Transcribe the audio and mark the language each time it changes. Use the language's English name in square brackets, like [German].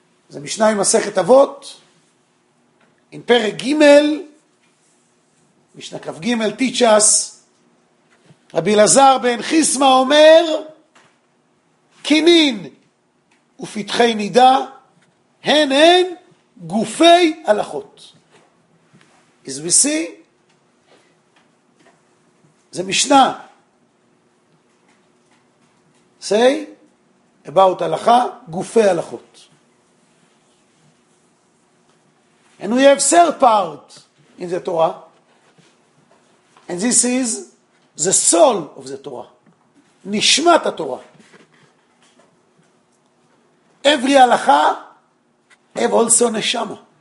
[English] Ze Mishnah in Masechet Avot, in Perek Gimel, [Hebrew] משנה כף ג' [English] teach us, [Hebrew] רבי אלעזר בן חיסמה אומר, קינין ופתחי נידה, הן הן גופי הלכות. [English] As we see, [Hebrew] זה משנה. [English] Say, about הלכה, גופי הלכות. And we have third part in the Torah, and this is the soul of the Torah. Nishmat HaTorah. Every halakha have also neshama.